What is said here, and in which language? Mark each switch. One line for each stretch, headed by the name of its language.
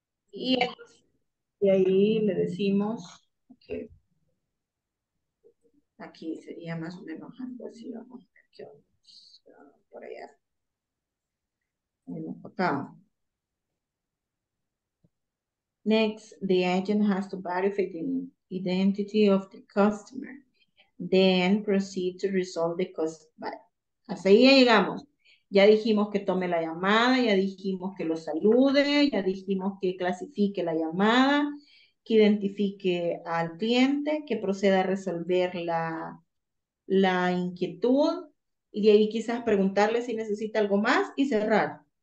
Spanish: Y ahí le decimos que aquí sería más o menos algo así, vamos a ver qué vamos por allá. Vamos acá.
English: Next, the agent has to verify the identity of the customer, then proceed to resolve the cost by
Spanish: Hasta ahí ya llegamos. Ya dijimos que tome la llamada, ya dijimos que lo salude, ya dijimos que clasifique la llamada, que identifique al cliente, que proceda a resolver la inquietud, y de ahí quizás preguntarle si necesita algo más y cerrar.